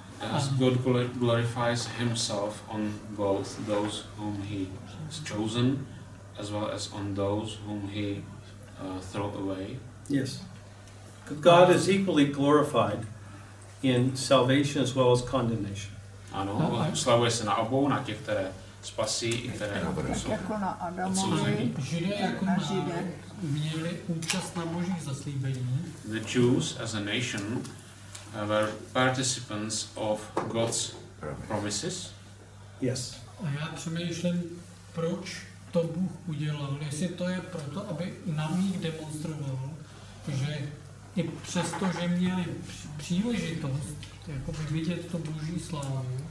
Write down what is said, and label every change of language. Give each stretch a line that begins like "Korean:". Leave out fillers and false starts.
English: As God glorifies himself on both those whom he has chosen, as well as on those whom he throw away. Yes. God is equally glorified in salvation as well as condemnation.
Czech: Ano, oslavuje se na obou, na těch, které spasí i které jsou odsouzení. Židé jako měli účast na Božích zaslíbení.
English: The Jews as a nation were participants of God's promises. Yes.
Czech: A já přemýšlím, proč to Bůh udělal. Jestli to je proto, aby na mých demonstroval, že i přesto, že měli příležitost jakoby vidět to Boží slávu,